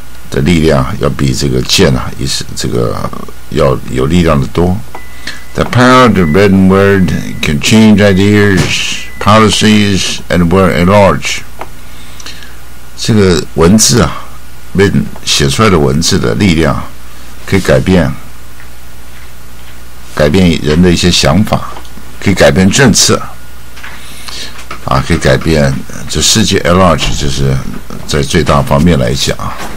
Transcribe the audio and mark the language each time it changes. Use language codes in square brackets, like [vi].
[zh] 的力量要比这个剑啊，也是这个要有力量的多。 [en] The power of the written word can change ideas, policies, and world at large。 [zh] 这个文字啊，写出来的文字的力量，可以改变人的一些想法，可以改变政策，啊，可以改变这世界 [en] at large， [zh] 就是在最大方面来讲啊。